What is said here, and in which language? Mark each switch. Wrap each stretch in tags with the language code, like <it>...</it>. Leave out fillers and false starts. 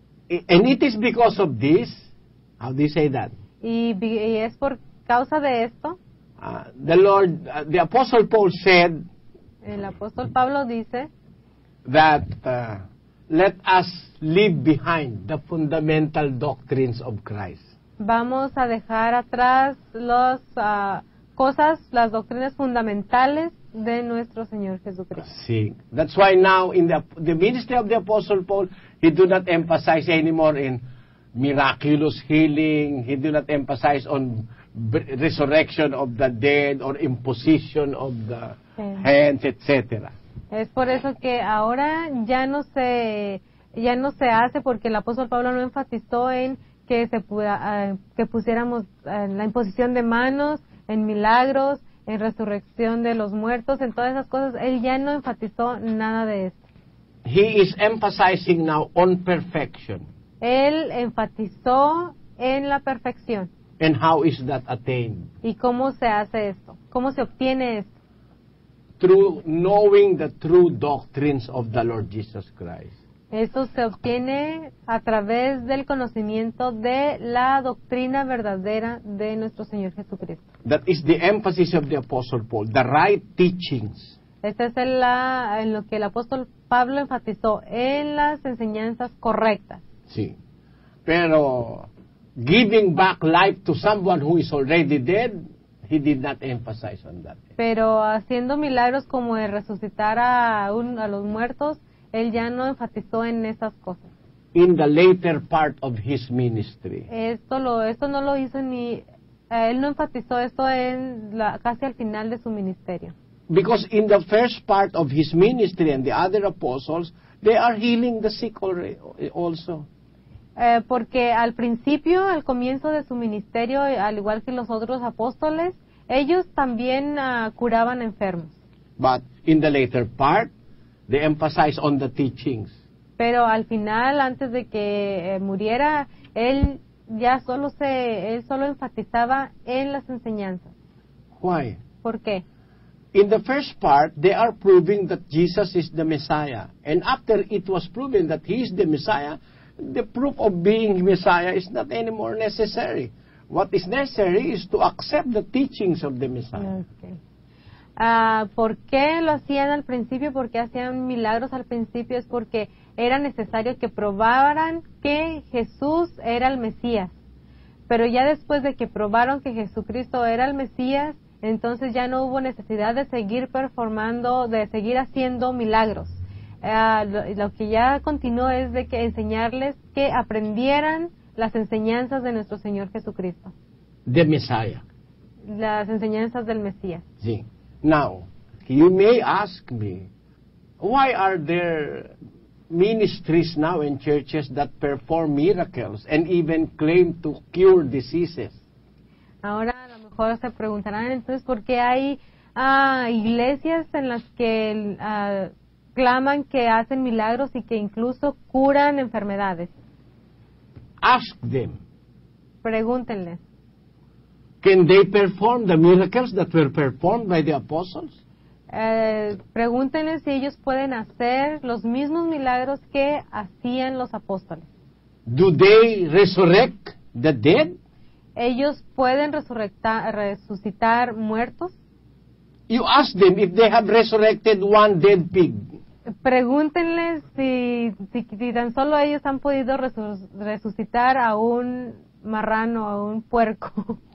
<en>And it is because of this, how do you say that?</en> <es>Y es por causa de esto.</es> <en>The Apostle Paul said.</en> <es>El apóstol Pablo dice.</es> <en>That let us leave behind the fundamental doctrines of Christ.</en> <es>Vamos a dejar atrás las cosas, las doctrinas fundamentales de nuestro Señor Jesucristo. Sí.</es> <en>That's why now in the ministry of the Apostle Paul, he do not emphasize anymore in miraculous healing. He did not emphasize on resurrection of the dead or imposition of the hands, etc.</en> <es>Es por eso que ahora ya no se hace, porque el apóstol Pablo no enfatizó en que se que pusiéramos la imposición de manos, en milagros, en resurrección de los muertos, en todas esas cosas. Él ya no enfatizó nada de esto.</es> <en>He is emphasizing now on perfection.</en> <es>Él enfatizó en la perfección.</es> <en>And how is that attained?</en> <es>¿Y cómo se hace esto? ¿Cómo se obtiene esto?</es> <en>Through knowing the true doctrines of the Lord Jesus Christ.</en> <es>Esto se obtiene a través del conocimiento de la doctrina verdadera de nuestro Señor Jesucristo.</es> <en>That is the emphasis of the Apostle Paul, the right teachings.</en> <es>Este es en lo que el apóstol Pablo enfatizó, en las enseñanzas correctas. Sí, pero</es> <en>giving back life to someone who is already dead, he did not emphasize on that.</en> <es>Pero haciendo milagros como el resucitar a los muertos, él ya no enfatizó en esas cosas.</es> <en>In the later part of his ministry.</en> <es>Esto no lo hizo ni... Él no enfatizó esto casi al final de su ministerio.</es> <en>Because in the first part of his ministry and the other apostles, they are healing the sick also.</en> <es>Porque al principio, al comienzo de su ministerio, al igual que los otros apóstoles, ellos también curaban enfermos.</es> <en>But in the later part, they emphasize on the teachings.</en> <es>Pero al final, antes de que muriera, él solo enfatizaba en las enseñanzas.</es> <en>Why?</en> <es>¿Por qué?</es> <en>In the first part, they are proving that Jesus is the Messiah. And after it was proven that he is the Messiah, the proof of being Messiah is not anymore necessary. What is necessary is to accept the teachings of the Messiah.</en> <es>Okay. ¿Por qué lo hacían al principio? ¿Por qué hacían milagros al principio? Es porque era necesario que probaran que Jesús era el Mesías. Pero ya después de que probaron que Jesucristo era el Mesías, entonces ya no hubo necesidad de seguir performando, de seguir haciendo milagros. Lo que ya continuó es de que enseñarles que aprendieran las enseñanzas de nuestro Señor Jesucristo.</es> <en>The Messiah.</en> <es>Las enseñanzas del Mesías. Sí.</es> <en>Now, you may ask me, why are there ministries now in churches that perform miracles and even claim to cure diseases?</en> <es>Ahora a lo mejor se preguntarán entonces por qué hay iglesias en las que claman que hacen milagros y que incluso curan enfermedades.</es> <en>Ask them.</en> <es>Pregúntenles.</es> <en>Can they perform the miracles that were performed by the apostles?</en> <es>Pregúntenle si ellos pueden hacer los mismos milagros que hacían los apóstoles.</es> <en>Do they resurrect the dead?</en> <es>¿Ellos pueden resucitar muertos?</es> <en>You ask them if they have resurrected one dead pig.</en> <es>Pregúntenle si tan solo ellos han podido resucitar a un marrano, a un puerco.</es>